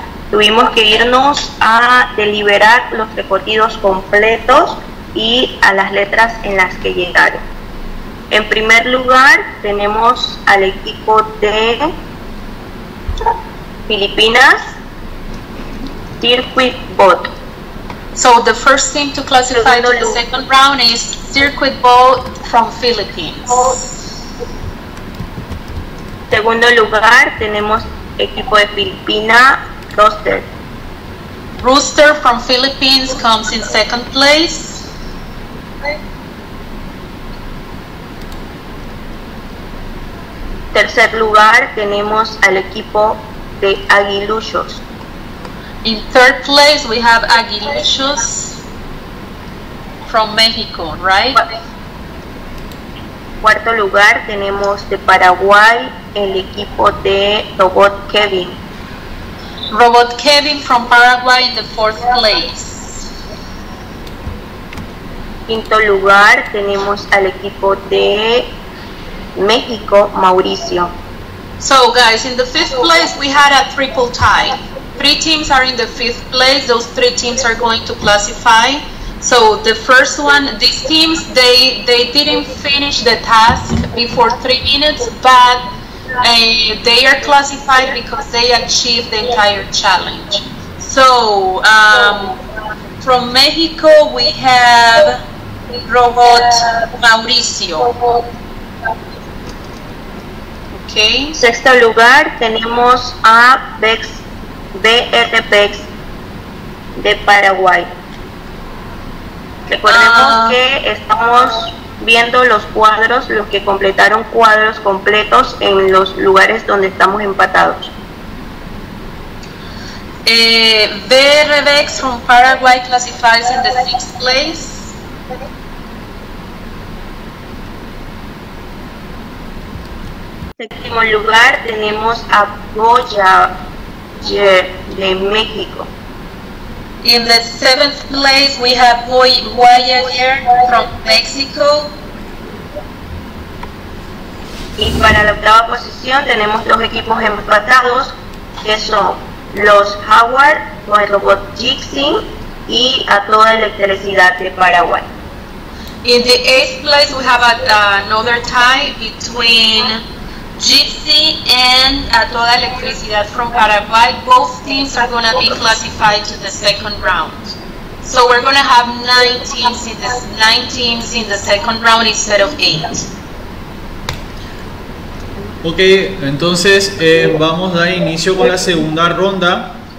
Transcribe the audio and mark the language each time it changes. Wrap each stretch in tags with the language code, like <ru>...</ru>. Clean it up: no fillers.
<es>Tuvimos que irnos a deliberar los recorridos completos y a las letras en las que llegaron. En primer lugar, tenemos al equipo de Filipinas, Circuit Boat.</es> <en>So the first team to classify to the second round is Circuit Boat from Philippines.</en> <es>Segundo lugar, tenemos equipo de Filipinas, Rooster.</es> <en>Rooster from Philippines comes in second place.</en> <es>Tercer lugar tenemos al equipo de Aguiluchos.</es> <en>In third place we have Aguiluchos from Mexico, right?</en> <es>Cuarto lugar tenemos de Paraguay el equipo de Robot Kevin.</es> <en>Robot Kevin from Paraguay in the fourth place.</en> <es>Quinto lugar tenemos al equipo de México, Mauricio.</es> <en>So guys, in the fifth place we had a triple tie. Three teams are in the fifth place. Those three teams are going to classify. So the first one, these teams, they didn't finish the task before 3 minutes, but they are classified because they achieved the entire challenge. So, from Mexico we have Robot Mauricio. Okay.</en> <es>Sexto lugar tenemos a Bex, BRPX de Paraguay. Recordemos que estamos viendo los cuadros, los que completaron cuadros completos en los lugares donde estamos empatados.</es> <en>BRBX from Paraguay classifies in the sixth place.</en> <es>Séptimo lugar tenemos a Voyager de México.</es> <en>In the seventh place we have Voyager from Mexico.</en> <es>Y para la octava posición tenemos dos equipos empatados, que son los Howard, los Robot Jixing y a toda electricidad de Paraguay.</es> <en>In the eighth place we have another tie between Gypsy and Toda Electricidad from Paraguay. Both teams are going to be classified to the second round. So we're going to have nine teams in the second round instead of 8.</en> <es>Ok, entonces vamos a dar inicio con la segunda ronda.</es>